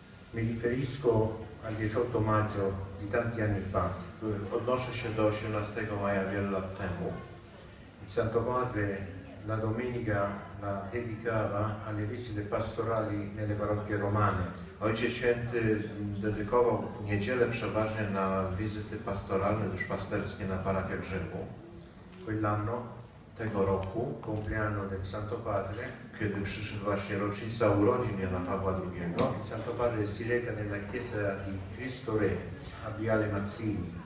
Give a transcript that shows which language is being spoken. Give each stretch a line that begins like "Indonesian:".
Italian: Mi riferisco al 18 maggio di tanti anni fa.
Polish: Odnoszę się do 18 maja wiele lat temu.
Italian: Il Santo Padre la domenica la dedicava alle visite pastorali nelle parrocchie romane.
Polish: Ojciec Święty dedykował niedzielę przeważnie na wizyty pastoralne, duszpasterskie na parafiach Rzymu.
Italian: Quell'anno,
Polish: tego roku,
Italian: compleanno del Santo Padre,
Polish: kiedy przyszedł właśnie rocznica urodzin Jana Pawła II,
Italian: il Santo Padre si reca nella chiesa di Cristo Re a Viale Mazzini.